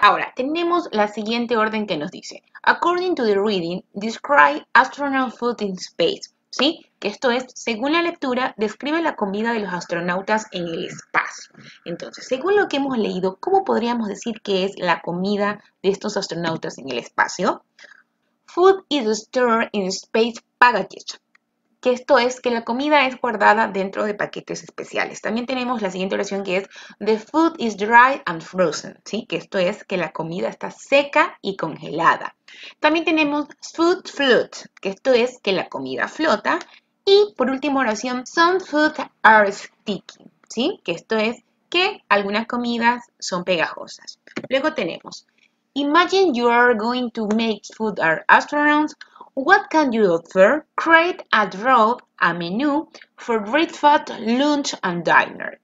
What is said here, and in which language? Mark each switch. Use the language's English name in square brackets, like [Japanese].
[Spanish] Ahora, tenemos la siguiente orden que nos dice, [English] according to the reading, describe astronaut food in space, [Spanish] ¿sí? Que esto es, según la lectura, describe la comida de los astronautas en el espacio. Entonces, según lo que hemos leído, ¿cómo podríamos decir que es la comida de estos astronautas en el espacio? [English] Food is stored in space packages. [Spanish] Que esto es, que la comida es guardada dentro de paquetes especiales. También tenemos la siguiente oración que es, [English] the food is dry and frozen, [Spanish] ¿sí? Que esto es, que la comida está seca y congelada. También tenemos [English] food float, [Spanish] que esto es, que la comida flota. Y por último oración, [English] some food are sticky, [Spanish] ¿sí? Que esto es, que algunas comidas son pegajosas. Luego tenemos, [English] imagine you are going to make food at astronauts. What can you offer? Create a draw, a menu for breakfast, lunch and dinner.